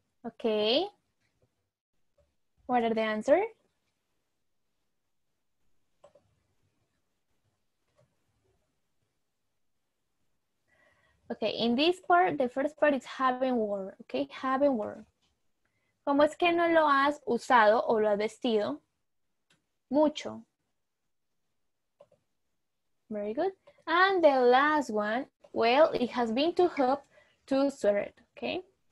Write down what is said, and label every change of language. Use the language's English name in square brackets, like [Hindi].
[English] Okay. What are the answers? Okay, in this part, the first part is having worn, okay? Having worn. [Spanish] ¿Cómo es que no lo has usado o lo has vestido? Mucho. [English] Very good. And the last one, well, it has been too hot to wear it, okay?